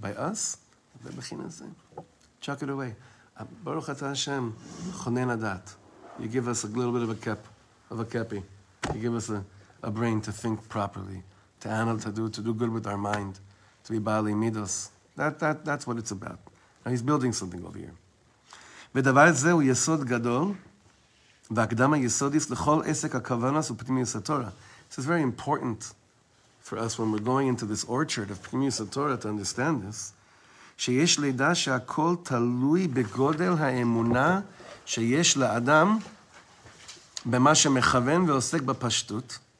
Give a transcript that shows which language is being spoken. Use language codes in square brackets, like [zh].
[en] By us, the bechinas, chuck it away. Baruch Atah Hashem, chonen adat. You give us a little bit of a kepi. You give us a brain to think properly, to anal to do good with our mind, to be baali midos. That's what it's about. Now he's building something over here. [he] ודבר זה הוא יסוד גדול, והקדם היסודיס לכל עסק הכוונס ופנימיוס התורה. [en] This is very important for us when we're going into this orchard of פנימיוס התורה to understand this, [he] שיש לידע שהכל תלוי בגודל האמונה שיש לאדם במה שמכוון ועוסק בפשטות.